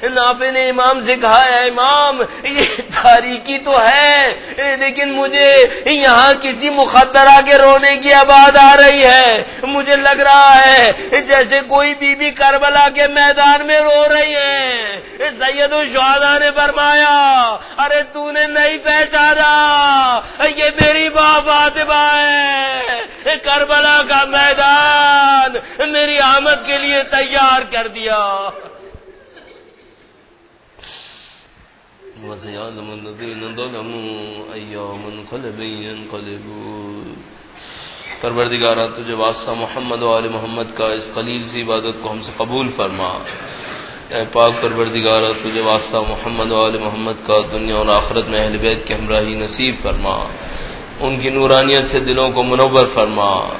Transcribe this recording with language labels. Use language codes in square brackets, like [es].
[ur] نافع نے امام سے کہا اے امام یہ تاریکی تو ہے لیکن مجھے یہاں کسی مخدرہ کے رونے کی آواز آ رہی ہے, مجھے لگ رہا ہے جیسے کوئی بی بی کربلا کے میدان میں رو رہی ہے. سید الشہداء نے فرمایا ارے تو نے نہیں پہچانا, یہ میری ماں فاطمہ ہے, کربلا کا میدان میری آمد کے لیے تیار کر دیا. [ar] وسيعلم الذين ظلموا أي منقلب ينقلبون. [ur] پروردگارا تجھے واسطہ محمد و آل محمد کا اس قلیل سی عبادت کو ہم سے قبول فرما. اے پاک پروردگارا تجھے واسطہ محمد و آل محمد کا دنیا اور آخرت میں اہل بیت کی ہمراہی نصیب فرما, ان کی نورانیت سے دلوں کو منور فرما.